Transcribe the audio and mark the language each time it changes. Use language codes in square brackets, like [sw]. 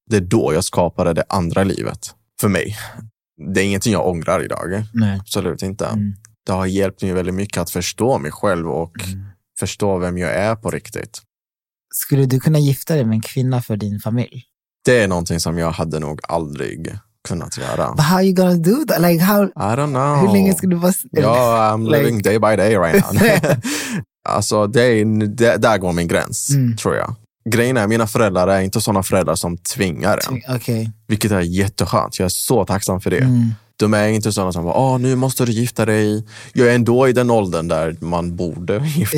[sv] Det är då jag skapade det andra livet. För mig. Det är ingenting jag ångrar idag. Nej. Absolut inte. Det har hjälpt mig väldigt mycket att förstå mig själv och förstå vem jag är på riktigt. Skulle du kunna gifta dig med en kvinna för din familj? Det är någonting som jag hade nog aldrig kunnat göra. [en] But how are you gonna do that? Like how? I don't know. [sv] Hur länge ska du vara? [en] Ja, I'm living day by day right now. [sv] Alltså, där går min gräns, tror jag. Grejen är, mina föräldrar är inte sådana föräldrar som tvingar en. [en] Okay. [sv] Vilket är jätteskönt. Jag är så tacksam för det. Mm. De är inte sådana som, nu måste du gifta dig. Jag är ändå i den åldern där man borde gifta